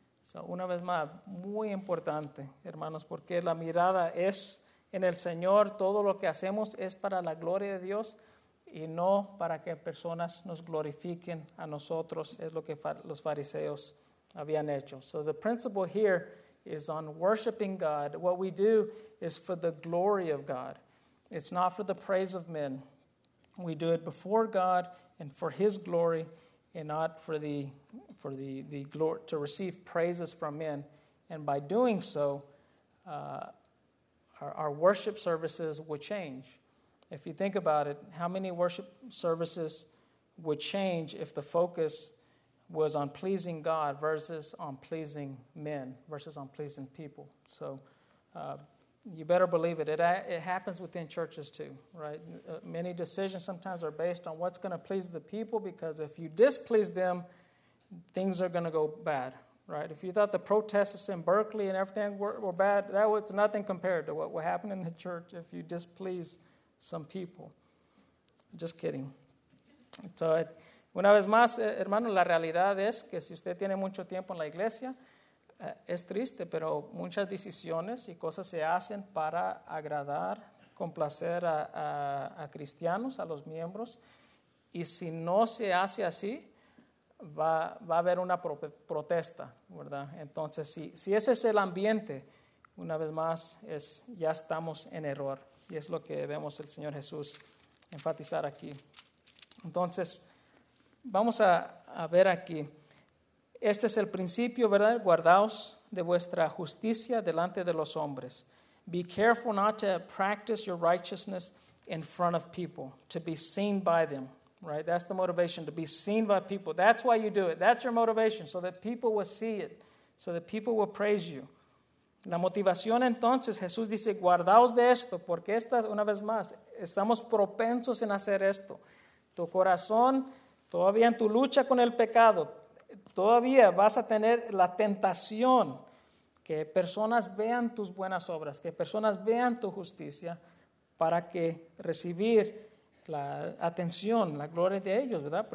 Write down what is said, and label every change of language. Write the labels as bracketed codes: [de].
[es] So, una vez más, muy importante, hermanos, porque la mirada es en el Señor. Todo lo que hacemos es para la gloria de Dios y no para que personas nos glorifiquen a nosotros. Es lo que los fariseos habían hecho. [en] So the principle here is on worshiping God. What we do is for the glory of God. It's not for the praise of men. We do it before God and for His glory, and not for the glory to receive praises from men. And by doing so, our worship services would change. If you think about it, how many worship services would change if the focus was on pleasing God versus on pleasing men versus on pleasing people? So you better believe it. It happens within churches too, right? Many decisions sometimes are based on what's going to please the people, because if you displease them, things are going to go bad, right? If you thought the protests in Berkeley and everything were bad, that was nothing compared to what would happen in the church if you displease some people. Just kidding. [es] So una vez más, hermano, la realidad es que si usted tiene mucho tiempo en la iglesia, es triste, pero muchas decisiones y cosas se hacen para agradar, complacer a cristianos, a los miembros. Y si no se hace así, va a haber una protesta, ¿verdad? Entonces, si ese es el ambiente, una vez más, ya estamos en error. Y es lo que vemos el Señor Jesús enfatizar aquí. Entonces, vamos a ver aquí. Este es el principio, ¿verdad? Guardaos de vuestra justicia delante de los hombres. [en] Be careful not to practice your righteousness in front of people, to be seen by them, right? That's the motivation, to be seen by people. That's why you do it. That's your motivation, so that people will see it, so that people will praise you. [es] La motivación, entonces, Jesús dice, guardaos de esto, porque estas, una vez más, estamos propensos en hacer esto. Tu corazón, todavía en tu lucha con el pecado, todavía vas a tener la tentación que personas vean tus buenas obras, que personas vean tu justicia para que recibir la atención, la gloria de ellos, ¿verdad?